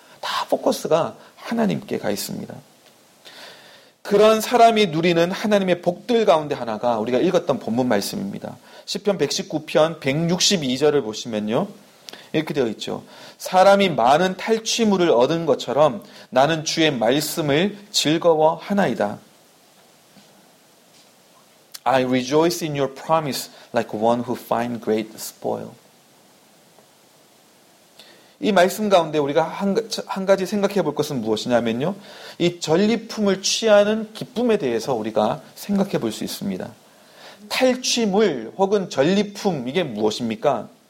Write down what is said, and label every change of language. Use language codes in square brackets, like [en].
[ko] 다 포커스가 하나님께 가 있습니다. 그런 사람이 누리는 하나님의 복들 가운데 하나가 우리가 읽었던 본문 말씀입니다. 시편 119편 162절을 보시면요, 이렇게 되어 있죠. 사람이 많은 탈취물을 얻은 것처럼 나는 주의 말씀을 즐거워하나이다. [en] I rejoice in your promise like one who finds great spoil. [ko] 이 말씀 가운데 우리가 한 가지 생각해 볼 것은 무엇이냐면요. 이 전리품을 취하는 기쁨에 대해서 우리가 생각해 볼 수 있습니다. 탈취물 혹은 전리품, 이게 무엇입니까?